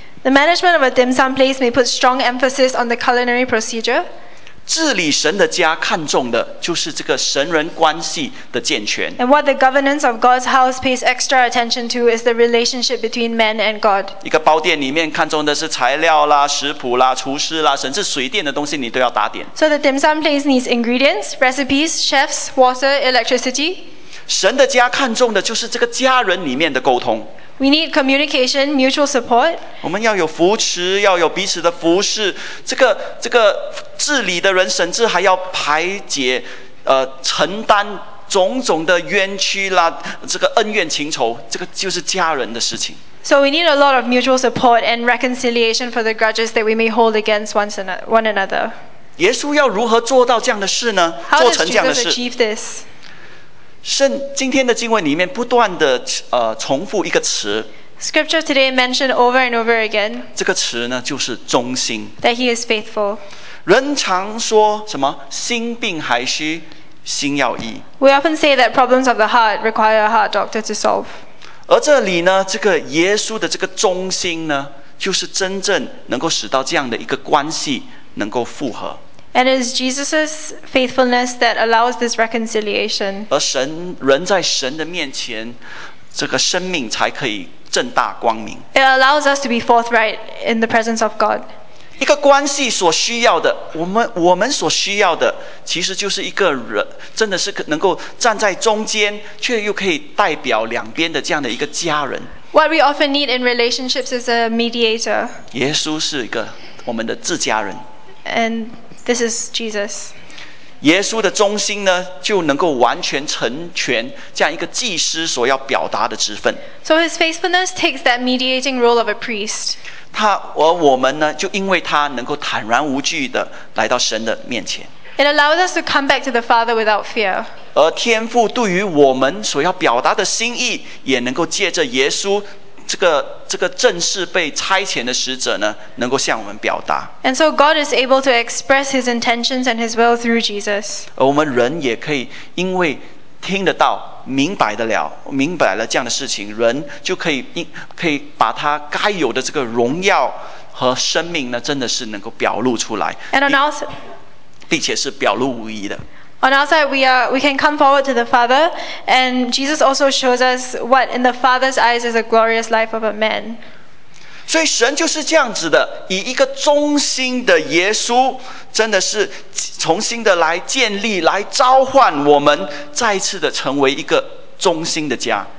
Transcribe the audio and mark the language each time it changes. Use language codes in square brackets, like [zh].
[en] The management of a dim sum place may put strong emphasis on the culinary procedure. [zh] 治理神的家看重的就是这个神人关系的健全。 [en] And what the governance of God's house pays extra attention to is the relationship between man and God. [zh] 一个包店里面看重的是材料啦、食谱啦、厨师啦，甚至水电的东西你都要打点。 [en] So the dim sum place needs ingredients, recipes, chefs, water, electricity. [zh] 神的家看重的就是这个家人里面的沟通。 [en] We need communication, mutual support. [zh] 我们要有扶持，要有彼此的服侍。这个治理的人，甚至还要排解，承担种种的冤屈啦，这个恩怨情仇，这个就是家人的事情。 [en] So we need a lot of mutual support and reconciliation for the grudges that we may hold against one another. [zh] 耶稣要如何做到这样的事呢？做成这样的事。 [en] How does Jesus achieve this? [zh] 今天的经文里面不断的重复一个词。 [en] Scripture today mentioned over and over again. [zh] 这个词呢就是忠心。 [en] That he is faithful. [zh] 人常说什么心病还需心药医。 [en] We often say that problems of the heart require a heart doctor to solve. [zh] 而这里呢，这个耶稣的这个忠心呢，就是真正能够使到这样的一个关系能够复合。 [en] And it is Jesus' faithfulness that allows this reconciliation. [zh] 而神人在神的面前，这个生命才可以正大光明。 [en] It allows us to be forthright in the presence of God. [zh] 一个关系所需要的，我们所需要的，其实就是一个人，真的是能够站在中间，却又可以代表两边的这样的一个家人。 [en] What we often need in relationships is a mediator. [zh] 耶稣是一个我们的自家人。 [en] And This is Jesus. [zh] 耶稣的忠心呢，就能够完全成全这样一个祭司所要表达的职分。 [en] So his faithfulness takes that mediating role of a priest. [zh] 他而我们呢，就因为他能够坦然无惧的来到神的面前。 [en] It allows us to come back to the Father without fear. [zh] 而天父对于我们所要表达的心意，也能够借着耶稣。这个正式被差遣的使者呢，能够向我们表达。 [en] And so God is able to express His intentions and His will through Jesus. [zh] 而我们人也可以因为听得到、明白得了、明白了这样的事情，人就可以把他该有的这个荣耀和生命呢，真的是能够表露出来。 [en] And on our side, [zh] 并且是表露无遗的。 [en] On our side, we can come forward to the Father, and Jesus also shows us what in the Father's eyes is a glorious life of a man. [zh] 所以神就是这样子的，以一个忠心的耶稣，真的是重新的来建立，来召唤我们，再次的成为一个忠心的家。